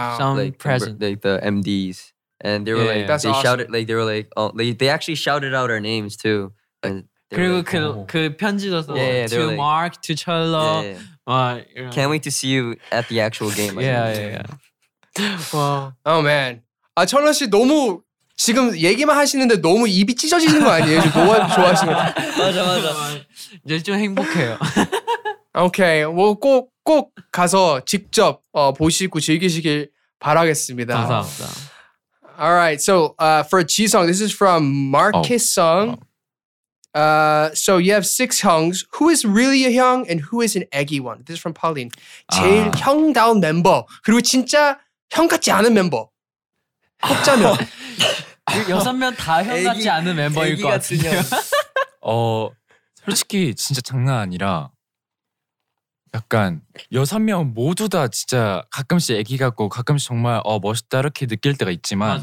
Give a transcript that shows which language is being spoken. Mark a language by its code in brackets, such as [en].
[en] some like, present like the MDs, and they were yeah, like they awesome. Shouted like they were like oh they actually shouted out our names too. And [ko] 그리고 [en] like, [ko] 그 편지도 써 [en] yeah, yeah, to like, Mark to Chello. Yeah, yeah. You know. Can't wait to see you at the actual game. Like, yeah. Wow. Oh man, [ko] 아 천러 씨 너무. 지금 얘기만 하시는데 너무 입이 찢어지는 거 아니에요? 좋아하시는 거. 맞아. 이제 좀 행복해요. 오케이. 뭐 꼭 가서 직접 보시고 즐기시길 바라겠습니다. 감사합니다. [en] Alright, so for Jisung, this is from Marcus Sung. So you have six hyungs. Who is really a hyung and who is an eggy one? This is from Pauline. [ko] 제일 형다운 멤버. 그리고 진짜 형 같지 않은 멤버. 꼽자면. 여섯 명 다 형 같지 않은 멤버일 것 같은데요. 솔직히 진짜 장난 아니라 약간 여섯 명 모두 다 진짜 가끔씩 애기 같고 가끔씩 정말 멋있다 이렇게 느낄 때가 있지만